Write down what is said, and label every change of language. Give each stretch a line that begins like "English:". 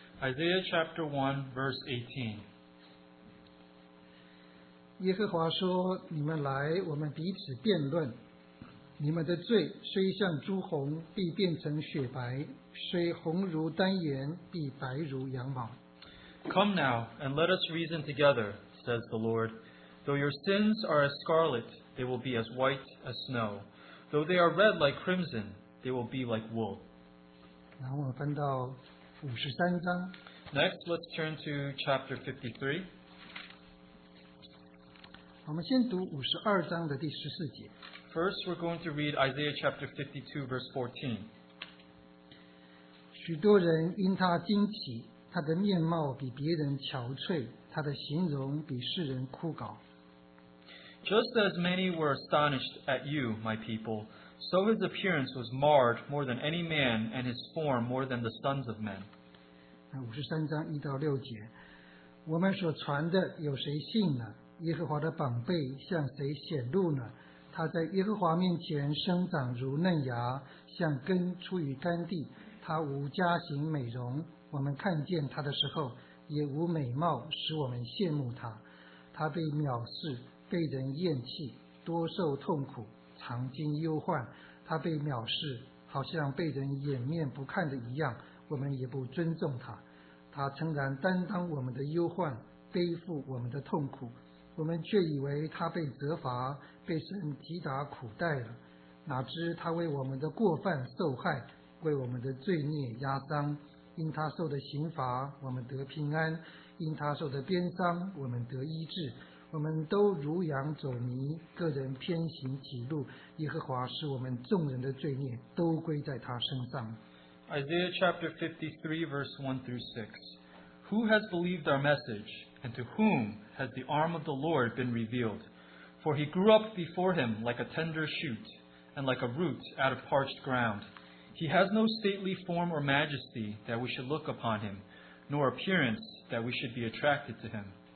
English: Isaiah chapter 1, verse 18.
Chinese: 耶和华说：你们来，我们彼此辩论。你们的罪虽像朱红，必变成雪白；虽红如丹颜，必白如羊毛。
English: Come now, and let us reason together, says the Lord. Though your sins are as scarlet, they will be as white as snow. Though they are red like crimson, they will be like wool.
Chinese: 然后我们翻到五十三章。
English: Next, let's turn to chapter 53.
Chinese: 我们先读五十二章的第十四节。
English: First, we're going to read Isaiah chapter 52, verse 14.
Chinese: 许多人因他惊奇，他的面貌比别人憔悴，他的形容比世人枯槁。
English: Just as many were astonished at you, my people. So his appearance was marred more than any man, and his form more than the sons of men.
Chinese: 五十三章一到六节，我们所传的有谁信呢？耶和华的膀臂向谁显露呢？他在耶和华面前生长如嫩芽，像根出于干地。他无家型美容，我们看见他的时候也无美貌，使我们羡慕他。他被藐视，被人厌弃，多受痛苦。常经忧患，他被藐视，好像被人掩面不看的一样，我们也不尊重他。他诚然担当我们的忧患，背负我们的痛苦，我们却以为他被责罚，被神击打苦待了。哪知他为我们的过犯受害，为我们的罪孽压伤。因他受的刑罚，我们得平安；因他受的鞭伤，我们得医治。我们都如羊走迷，个人偏行己路。耶和华使我们众人的罪孽都归在他身上。
English: Isaiah chapter 53, verse 1 through 6. Who has believed our message, and to whom has the arm of the Lord been revealed? For he grew up before him like a tender shoot, and like a root out of parched ground. He has no stately form or majesty that we should look upon him, nor appearance that we should be attracted to him.